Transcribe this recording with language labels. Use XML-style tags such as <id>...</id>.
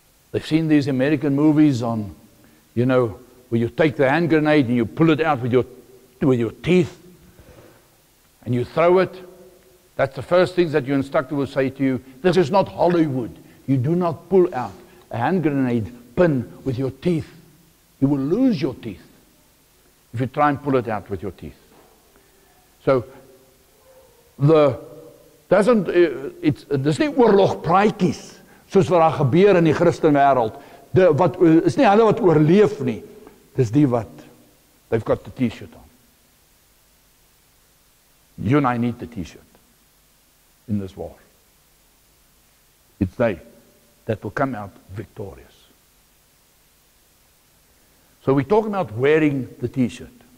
<en>They've seen these American movies on, you know, where you take the hand grenade and you pull it out with your teeth, and you throw it. That's the first thing that your instructor will say to you. This is not Hollywood. You do not pull out a hand grenade pin with your teeth. You will lose your teeth if you try and pull it out with your teeth. So, it's not</en> <af>oorlog praatjies soos wat daar gebeur in die Christen wêreld. Is nie hulle wat oorleef nie. Dis die wat,</af> <en>they've got the t-shirt on. You and I need the t-shirt in this war. It's they that will come out victorious. So we're talking about wearing the t-shirt.</en>